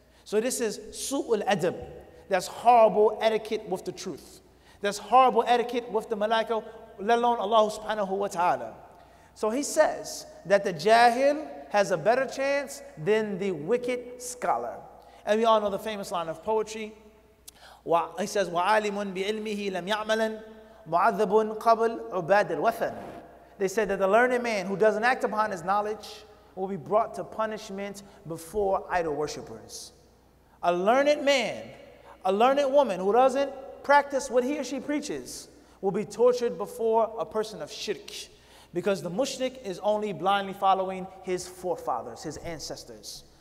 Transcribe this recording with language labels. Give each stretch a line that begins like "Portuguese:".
English: So this is su'ul adab. That's horrible etiquette with the truth. That's horrible etiquette with the malaika, let alone Allah subhanahu wa ta'ala. So he says that the jahil has a better chance than the wicked scholar. And we all know the famous line of poetry. He says,
Arabic: وَعَالِمٌ بِعِلْمِهِ لَمْ يَعْمَلًا مُعَذَّبٌ قَبْلْ عُبَادِ الْوَثَنِ.
English: They said that the learned man who doesn't act upon his knowledge will be brought to punishment before idol worshippers. A learned man, a learned woman who doesn't practice what he or she preaches will be tortured before a person of shirk, because the mushrik is only blindly following his forefathers, his ancestors.